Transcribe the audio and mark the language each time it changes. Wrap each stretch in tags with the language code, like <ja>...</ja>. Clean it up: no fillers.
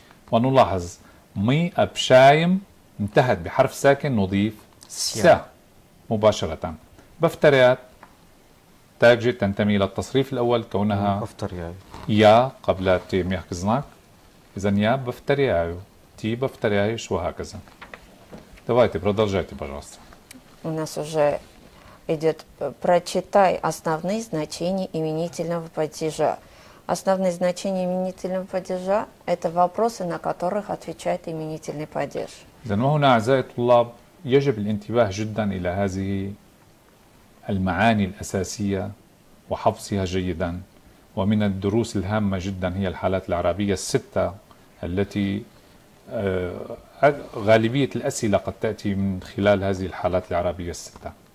<ar>ونلاحظ</ar> <ru>مي أبشايم</ru> <ar>انتهت بحرف ساكن، نضيف سا مباشرة. بفتريات تاكجي تنتمي إلى التصريف الأول كونها يا قبل تي ميحكزناك، إذا</ar> <ru>يا بفترياو تي بفتريايش،</ru> <ar>وهكذا.</ar> <ru>давайте продолжайте пожалуйста. У нас уже идет прочитай основные значения именительного падежа. Основные значения именительного падежа — это вопросы, на которых отвечает именительный падеж.</ru> <ar>هنا أعزائي الطلاب، يجب الانتباه جدا إلى هذه المعاني الأساسية وحفظها جيدا، ومن الدروس الهامة جدا هي الحالات العربية الستة التي غالبية الأسئلة قد تأتي من خلال هذه الحالات العربية الستة.</ar>